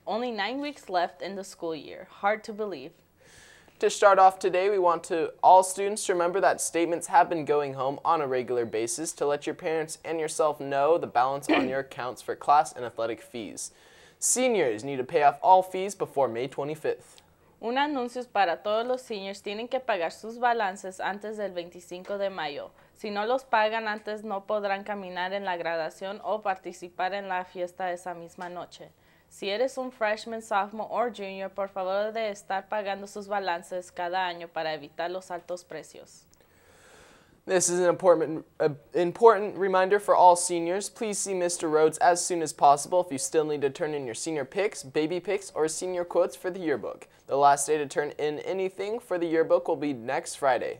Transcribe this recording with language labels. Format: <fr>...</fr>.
<en>Only 9 weeks left in the school year. Hard to believe. To start off today, we want to all students to remember that statements have been going home on a regular basis to let your parents and yourself know the balance on your accounts for class and athletic fees. Seniors need to pay off all fees before May 25th.</en> <es>Un anuncio para todos los seniors: tienen que pagar sus balances antes del 25 de mayo. Si no los pagan antes, no podrán caminar en la graduación o participar en la fiesta esa misma noche. Si eres un freshman, sophomore or junior, por favor de estar pagando sus balances cada año para evitar los altos precios.</es> <en>This is an important reminder for all seniors. Please see Mr. Rhodes as soon as possible if you still need to turn in your senior pics, baby pics, or senior quotes for the yearbook. The last day to turn in anything for the yearbook will be next Friday.</en>